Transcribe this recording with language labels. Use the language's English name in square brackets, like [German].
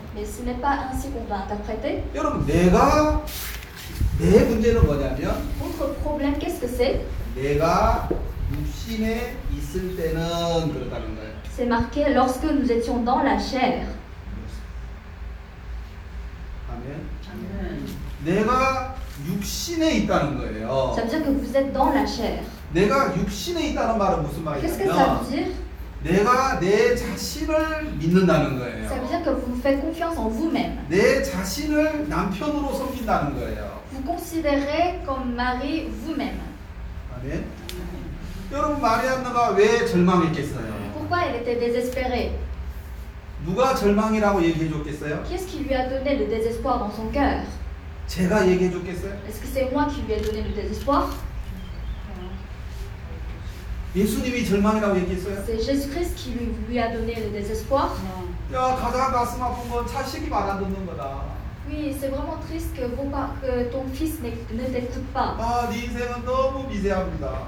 [French] Mais ce n'est pas ainsi qu'on va interpréter. [Korean] 여러분 내가 내 문제는 뭐냐면 [French] votre problème qu'est-ce que c'est? [Korean] 내가 육신에 있을 때는 그렇다는 거예요. [French] C'est marqué lorsque nous étions dans la chair. [Korean] 아멘. 내가 육신에 있다는 거예요. [French] Ça veut dire que vous êtes dans la chair. [Korean] 내가 육신에 있다는 말은 무슨 말이냐면 [French] qu'est-ce que ça veut dire? [Korean] 내가 내 자신을 믿는다는 거예요. [French] Ça veut dire que vous faites confiance en vous-même. [Korean] 내 자신을 남편으로 섬긴다는 거예요. [French] Vous considérez comme mari vous-même. [Korean] 아멘. 여러분 마리안나가 왜 절망했겠어요? [French] Pourquoi elle était désespérée? [Korean] 누가 절망이라고 얘기해 줬겠어요? [French] Qu'est-ce qui lui a donné le désespoir dans son cœur? [Korean] 제가 얘기해 줬겠어요? [French] Est-ce que c'est moi qui lui ai donné le désespoir? [Korean] 예수님이 절망이라고 얘기했어요? [French] C'est Jésus-Christ qui lui a donné le désespoir. [Korean] 야, 가장 가슴 아픈 건 자식이 말 안 듣는 거다. [French] Oui, c'est vraiment triste que ton fils ne t'écoute pas. [Korean] 아, 네 인생은 너무 미세합니다.